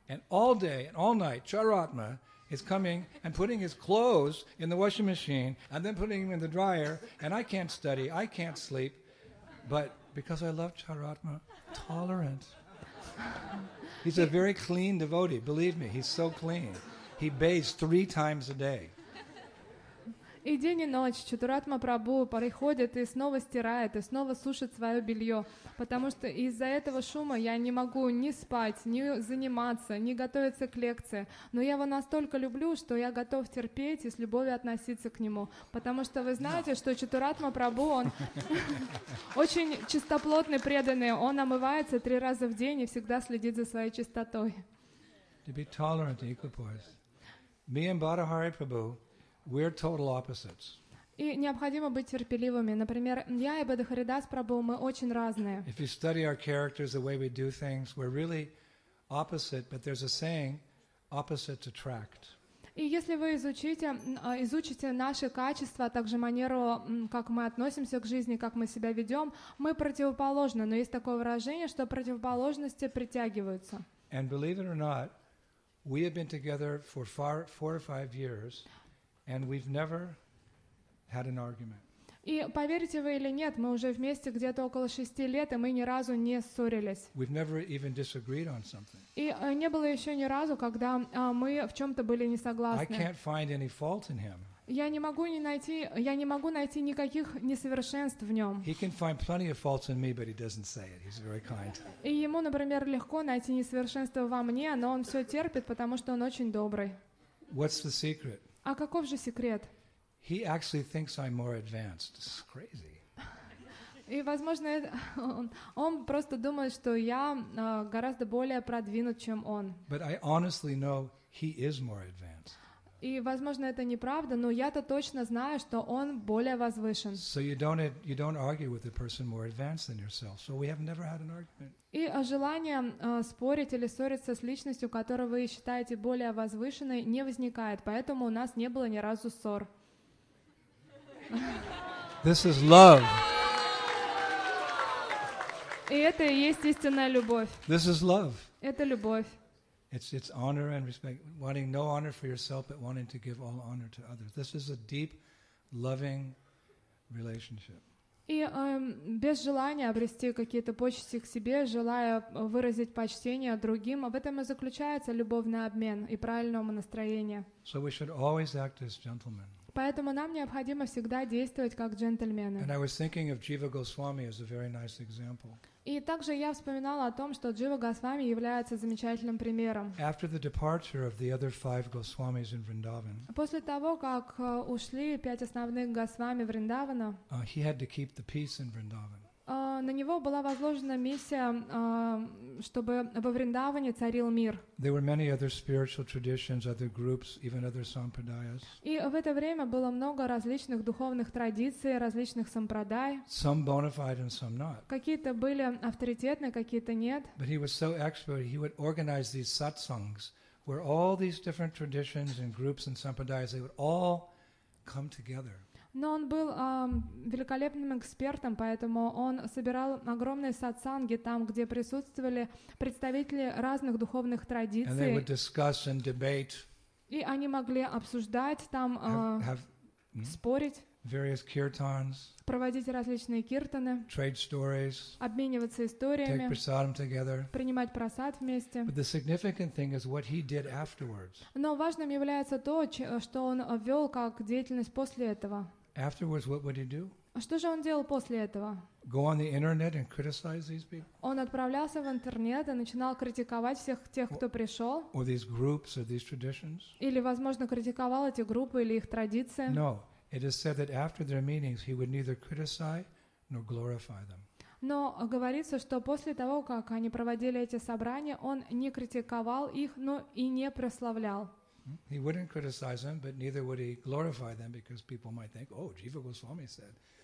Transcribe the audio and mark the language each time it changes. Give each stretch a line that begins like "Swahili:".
English: And all day and all night, Charatma is coming and putting his clothes in the washing machine and then putting them in the dryer, and I can't study, I can't sleep, but because I love Charatma, tolerant. He's a very clean devotee, believe me, he's so clean. He bathes 3 times a day.
Russian: И день и ночь Чатуратма Прабху приходит и снова стирает, и снова сушит свое белье, потому что из-за этого шума я не могу ни спать, ни заниматься, ни готовиться к лекции. Но я его настолько люблю, что я готов терпеть и с любовью относиться к нему, потому что вы знаете, что Чатуратма Прабху, он очень чистоплотный преданный, он омывается 3 раза в день и всегда следит за своей чистотой.
English: To be tolerant, equipoise. Me and Bhartahari Prabhu, we're total opposites.
Russian: И необходимо быть терпеливыми. Например, я и Бадхаридас Прабху, мы очень разные.
English: If you study our characters, the way we do things, we're really opposite, but there's a saying, opposites attract.
Russian: И если вы изучите наши качества, а также манеру, как мы относимся к жизни, как мы себя ведем, мы противоположны. Но есть такое выражение, что противоположности притягиваются.
English: And believe it or not, we have been together for 4 or 5 years, and we've never had an argument.
Russian: И поверите вы или нет, мы уже вместе где-то около 6 лет, и мы ни разу не ссорились.
English: We've never even disagreed on something.
Russian: И не было еще ни разу, когда мы в чем-то были не согласны.
English: I can't find any fault in him.
Russian: Я не могу найти никаких несовершенств в нем.
English: He can find plenty of faults in me, but he doesn't say it. He's very kind.
Russian: И ему, например, легко найти несовершенства во мне, но он все терпит, потому что он очень добрый.
English: What's the secret?
Russian: А каков же секрет?
English: He actually thinks I'm more advanced. It's crazy.
Russian: И, возможно, он просто думает, что я гораздо более продвинут, чем он.
English: But I honestly know he is more advanced.
Russian: И, возможно, это неправда, но я-то точно знаю, что он более возвышен.
English: So you don't argue with a person more advanced than yourself. So we have never had an argument.
Russian: И желание спорить или ссориться с личностью, которую вы считаете более возвышенной, не возникает. Поэтому у нас не было ни разу ссор.
English: This is love.
Russian: И это и есть истинная любовь.
English: This is love.
Russian: Это любовь.
English: It's honor and respect, wanting no honor for yourself, but wanting to give all honor to others. This is a deep, loving relationship.
Russian: И без желания обрести какие-то почести к себе, желая выразить почтение другим, об этом и заключается любовный обмен и правильное настроение.
English: So we should always act as gentlemen.
Russian: Поэтому нам необходимо всегда действовать как джентльмены.
English: And I was thinking of Jiva Goswami as a very nice example.
Russian: И также я вспоминала о том, что Джива Госвами является замечательным примером.
English: After the departure of the other 5 Goswamis in Vrindavan,
Russian: после того, как ушли 5 основных Госвами Вриндавана,
English: he had to keep the peace in Vrindavan.
Russian: На него была возложена миссия, чтобы во Вриндаване царил мир.
English: There were many other spiritual traditions, other groups, even other sampradayas.
Russian: И в это время было много различных духовных традиций, различных сампрадай.
English: Some bona fide and some not.
Russian: Какие-то были авторитетны, какие-то нет.
English: But he was so expert, he would organize these satsangs, where all these different traditions and groups and sampradayas, they would all come together.
Russian: Но он был великолепным экспертом, поэтому он собирал огромные сатсанги там, где присутствовали представители разных духовных традиций.
English: And they would discuss and debate.
Russian: И они могли обсуждать там, спорить.
English: Various kirtans,
Russian: проводить различные киртаны,
English: trade stories,
Russian: обмениваться историями,
English: take prasadam together.
Russian: Принимать прасад вместе.
English: But the significant thing is what he did afterwards.
Russian: Но важным является то, что он ввел как деятельность после этого.
English: Afterwards, what would he do?
Russian: Что же он делал после этого?
English: Go on the internet and criticize these people?
Russian: Он отправлялся в интернет и начинал критиковать всех тех, кто пришел.
English: Or these groups or these traditions?
Russian: Или, возможно, критиковал эти группы или их традиции?
English: No. It is said that after their meetings he would neither criticize nor glorify them.
Russian: Но говорится, что после того, как они проводили эти собрания, он не критиковал их, но и не прославлял.
English: He wouldn't criticize them, but neither would he glorify them because people might think, "Oh, Jiva Goswami said."